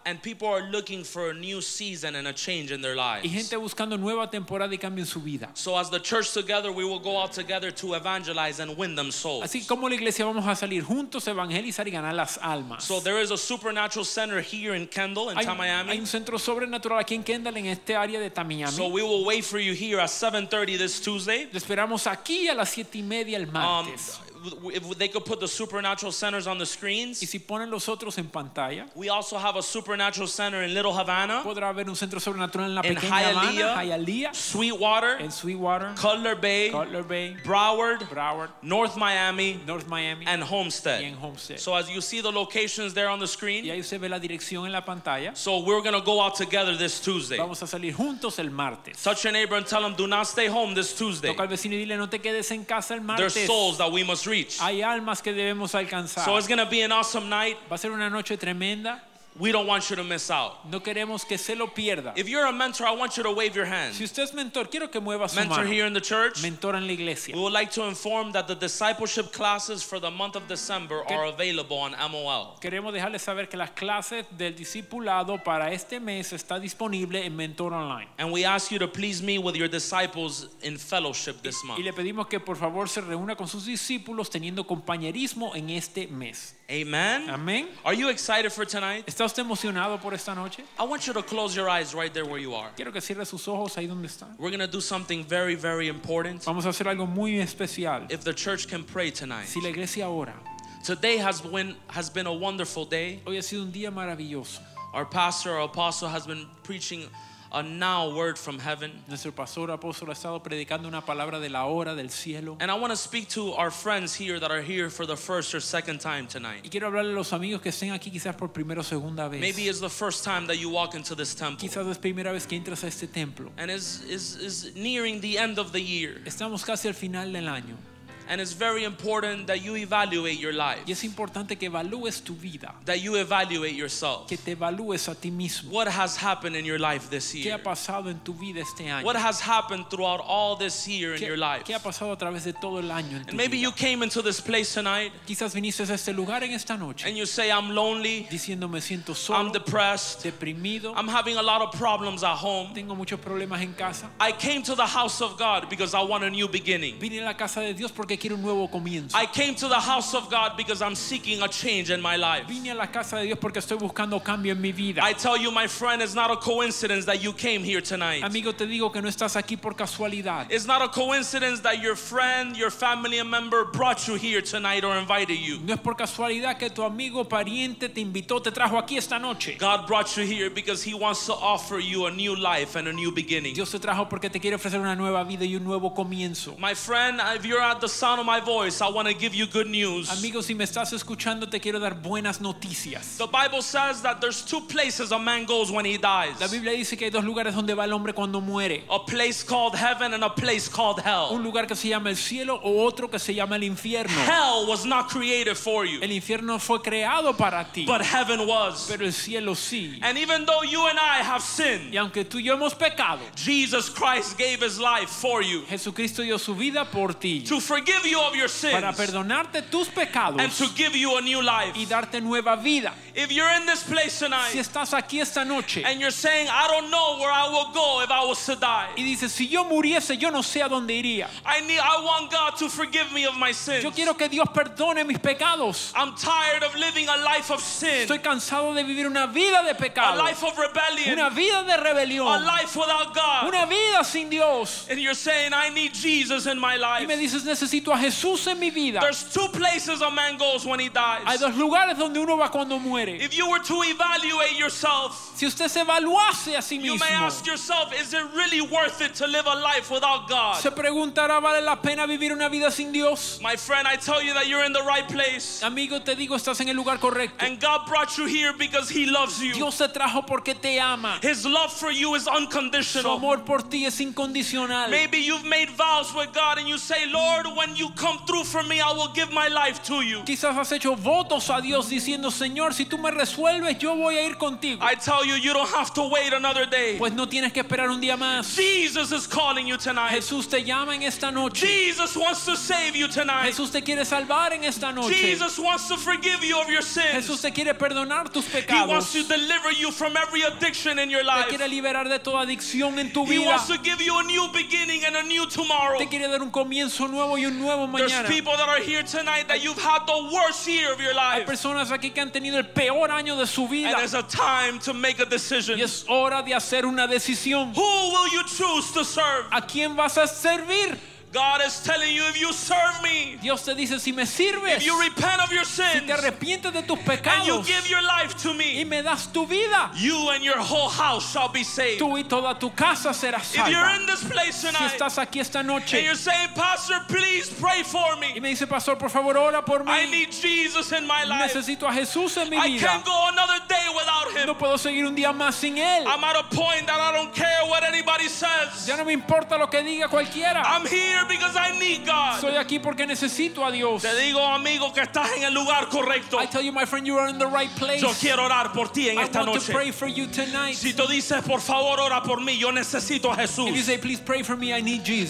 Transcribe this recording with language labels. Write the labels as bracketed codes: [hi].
[en] And people are looking for a new season and a change in their lives. [es] Y gente buscando nueva temporada y cambio en su vida. [en] So as the church together, we will go out together to evangelize and win them souls. [es] Así como la iglesia vamos a salir juntos a evangelizar y ganar las almas. [en] So there is a supernatural center here in Kendall in Miami. [es] Hay un centro sobrenatural aquí en Kendall en este área de Miami. [en] So we will wait for you here at 7:30 this Tuesday. [es] Te esperamos aquí a las 7:30 el martes. [en] If they could put the supernatural centers on the screens. [es] Y si ponen los otros en pantalla. [en] We also have a supernatural center in Little Havana. [es] Podrá haber un centro sobrenatural en la pequeña Hialeah, Hialeah. [en] Sweetwater. [es] En Sweetwater. [en] Cutler Bay. [es] Cutler Bay. [en] Broward. [es] Broward. [en] North Miami. [es] North Miami. [en] And Homestead. [es] Y en Homestead. [en] So as you see the locations there on the screen. [es] Y ahí usted ve la dirección en la pantalla. [en] So we're going to go out together this Tuesday. [es] Vamos a salir juntos el martes. [en] Touch your neighbor and tell him, do not stay home this Tuesday. [es] Toca al vecino y dile, no te quedes en casa el martes. [en] There's souls that we must reach. [es] Hay almas que debemos alcanzar. [en] So it's going to be an awesome night. [es] Va a ser una noche tremenda. [en] We don't want you to miss out. [es] No queremos que se lo pierda. [en] If you're a mentor, I want you to wave your hand. [es] Si usted es mentor, quiero que mueva su [en] mentor [es] mano. [en] Here in the church. [es] Mentor en la iglesia. [en] We would like to inform that the discipleship classes for the month of December are available on MOL. [es] Queremos dejarles saber que las clases del discipulado para este mes está disponible en Mentor Online. [en] And we ask you to please meet with your disciples in fellowship this month. [es] Y le pedimos que por favor se reúna con sus discípulos teniendo compañerismo en este mes. [en] Amen. [es] Amen. [en] Are you excited for tonight? [es] ¿Está usted emocionado por esta noche? [en] I want you to close your eyes right there where you are. [es] Quiero que cierre sus ojos ahí donde está. [en] We're going to do something very, very important. [es] Vamos a hacer algo muy especial. [en] If the church can pray tonight. [es] Si la iglesia ora. [en] Today has been a wonderful day. [es] Hoy ha sido un día maravilloso. [en] Our pastor, our apostle, has been preaching a now word from heaven. [es] Nuestro pastor apóstol ha estado predicando una palabra de la hora del cielo. [en] And I want to speak to our friends here that are here for the first or second time tonight. [es] Y quiero hablarle a los amigos que estén aquí quizás por primera o segunda vez. [en] Maybe it's the first time that you walk into this temple. [es] Quizás es primera vez que entras a este templo. [en] And is nearing the end of the year. [es] Estamos casi al final del año. [en] And it's very important that you evaluate your life. [es] Y es importante que evalúes tu vida. [en] That you evaluate yourself. [es] Que te evalúes a ti mismo. [en] What has happened in your life this year? [es] ¿Qué ha pasado en tu vida este año? [en] What has happened throughout all this year in your life? [es] ¿Qué ha pasado a través de todo el año en tu vida? [en] Maybe you came into this place tonight. [es] Quizás viniste a este lugar en esta noche. [en] And you say I'm lonely. [es] Diciendo me siento solo. [en] I'm depressed. [es] Deprimido. [en] I'm having a lot of problems at home. [es] Tengo muchos problemas en casa. [en] I came to the house of God because I want a new beginning. [es] Vine a la casa de Dios porque quiero un nuevo comienzo. [en] I came to the house of God because I'm seeking a change in my life. [es] Vine a la casa de Dios porque estoy buscando cambio en mi vida. [en] I tell you, my friend, it's not a coincidence that you came here tonight. [es] Amigo, te digo que no estás aquí por casualidad. [en] It's not a coincidence that your friend, your family member brought you here tonight or invited you. [es] No es por casualidad que tu amigo, pariente te invitó, te trajo aquí esta noche. [en] God brought you here because he wants to offer you a new life and a new beginning. [es] Dios te trajo porque te quiere ofrecer una nueva vida y un nuevo comienzo. [en] My friend, if you're at the sound of my voice, I want to give you good news. [es] Amigo, si me estás escuchando, te quiero dar buenas noticias. [en] The Bible says that there's two places a man goes when he dies. [es] La Biblia dice que hay dos lugares donde va el hombre cuando muere. [en] A place called heaven and a place called hell. [es] Un lugar que se llama el cielo o otro que se llama el infierno. [en] Hell was not created for you. [es] El infierno fue creado para ti. [en] But heaven was. [es] Pero el cielo sí. [en] And even though you and I have sinned, [es] y aunque tú y yo hemos pecado, [en] Jesus Christ gave his life for you. [es] Jesucristo dio su vida por ti. [en] To forgive you of your sins. [es] Para perdonarte tus pecados. [en] And to give you a new life. [es] Y darte nueva vida. [en] If you're in this place tonight, [es] si estás aquí esta noche, [en] and you're saying, I don't know where I will go if I was to die. [es] Y dices, si yo muriese, yo no sé a dónde iría. [en] I want God to forgive me of my sins. [es] Yo quiero que Dios perdone mis pecados. [en] I'm tired of living a life of sin. [es] Estoy cansado de vivir una vida de pecado. [en] A life of rebellion. [es] Una vida de rebelión. [en] A life without God. [es] Una vida sin Dios. [en] And you're saying, I need Jesus in my life. [es] Y me dices, necesito a Jesús en mi vida. [en] There's two places a man goes when he dies. [es] Hay dos lugares donde uno va cuando muere. [en] If you were to evaluate yourself, [es] si usted se evaluase a sí mismo, [en] you may ask yourself, is it really worth it to live a life without God? [es] Se preguntará, ¿vale la pena vivir una vida sin Dios? [en] My friend, I tell you that you're in the right place. [es] Amigo, te digo, estás en el lugar correcto. [en] And God brought you here because he loves you. [es] Dios te trajo porque te ama. [en] His love for you is unconditional. [es] Su amor por ti es incondicional. [en] Maybe you've made vows with God and you say, Lord, when you come through for me, I will give my life to you. [es] Quizás has hecho votos a Dios diciendo, Señor, si tú me resuelves, yo voy a ir contigo. [en] I tell you, you don't have to wait another day. [es] Pues no tienes que esperar un día más. [en] Jesus is calling you tonight. [es] Jesús te llama en esta noche. [en] Jesus wants to save you tonight. [es] Jesús te quiere salvar en esta noche. [en] Jesus wants to forgive you of your sins. [es] Jesús te quiere perdonar tus pecados. [en] He wants to deliver you from every addiction in your life. [es] Te quiere liberar de toda adicción en tu vida. [en] He wants to give you a new beginning and a new tomorrow. [es] Te quiere dar un comienzo nuevo y un nuevo mañana. [en] There's people that are here tonight that you've had the worst year of your life. [es] Hay personas aquí que han tenido el peor año de su vida. [en] And it's a time to make a decision. [es] Y es hora de hacer una decisión. [en] Who will you choose to serve? [es] ¿A quién vas a servir? [en] God is telling you, if you serve me, [es] Dios te dice, si me sirves, [en] if you repent of your sins, [es] si te arrepientes de tus pecados, [en] and you give your life to me, [es] y me das tu vida, [en] you and your whole house shall be saved. [es] Tú y toda tu casa será salva. [en] If you're in this place tonight, [es] si estás aquí esta noche, [en] and you're saying, Pastor, please pray for me. [es] Y me dice, Pastor, por favor, ora por mí. [en] I need Jesus in my life. [es] Necesito a Jesús en mi vida. [en] I can't go another day without him. [es] No puedo seguir un día más sin él. [en] I'm at a point that I don't care what anybody says. [es] Ya no me importa lo que diga cualquiera. [en] I'm here because I need God. [es] Soy aquí porque necesito a Dios. Te digo, amigo, que estás en el lugar correcto. [en] I tell you, my friend, you are in the right place. [es] Yo quiero orar por ti en [en] I [es] esta [en] want [es] noche. [en] To pray for you tonight. [es] Si tú dices, por favor, ora por mí, yo necesito a Jesús. [en] If you say, please pray for me, I need Jesus.